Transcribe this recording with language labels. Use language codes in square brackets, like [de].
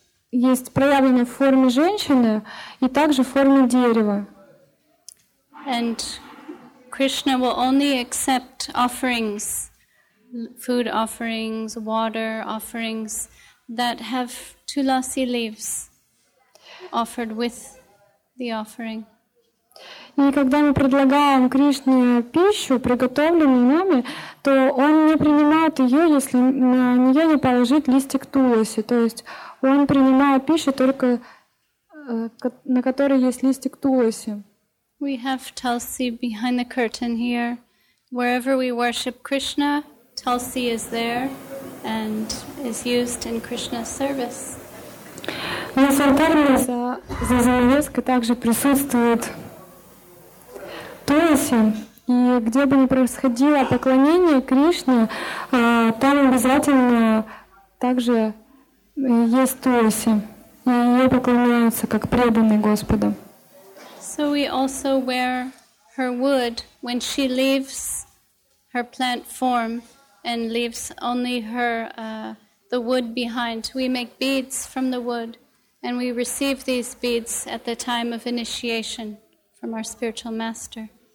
[ru] Есть проявление в форме женщины и также в форме дерева. [en] And Krishna will only accept offerings, food offerings, water offerings that have tulasi leaves offered with the offering. [ru] И когда мы предлагаем Кришне пищу, приготовленную нами, то он не принимает ее, если на нее не положить листик туласи. То есть он принимает пищу только на которой есть листик туласи. [en] We have tulsi behind the curtain here. Wherever we worship Krishna, tulsi is there and is used in Krishna's service. [ru] На алтаре за занавеской также присутствует туласи, и где бы ни происходило поклонение Кришне, там обязательно также есть туласи, и ее поклоняются как преданный Господу. [en] So we also wear her wood when she leaves her plant form and leaves only her the wood behind. We make beads from the wood, and we receive these beads at the time of initiation from our spiritual master.